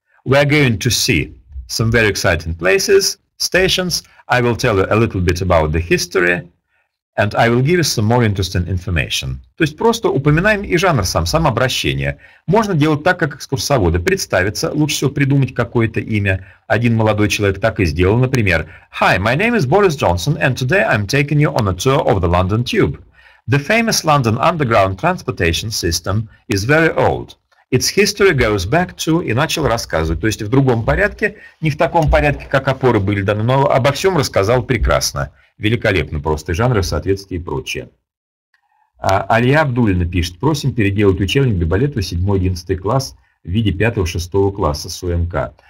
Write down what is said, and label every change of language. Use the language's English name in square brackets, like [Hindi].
[English] We are going to see some very exciting places, stations. I will tell you a little bit about the history. And I will give you some more interesting information. [Russian] То есть просто упоминаем и жанр сам, само обращение. Можно делать так, как экскурсоводы. Представиться, лучше всего придумать какое-то имя. Один молодой человек так и сделал, например. [English] Hi, my name is Boris Johnson, and today I'm taking you on a tour of the London Tube. The famous London Underground Transportation System is very old. Its history goes back to... [Russian] И начал рассказывать. То есть в другом порядке, не в таком порядке, как опоры были даны, но обо всем рассказал прекрасно. Великолепно просто, жанры, соответствия и прочее. Алия Абдулина пишет, просим переделать учебник для балета 7-11 класс в виде 5-6 класса с УМК.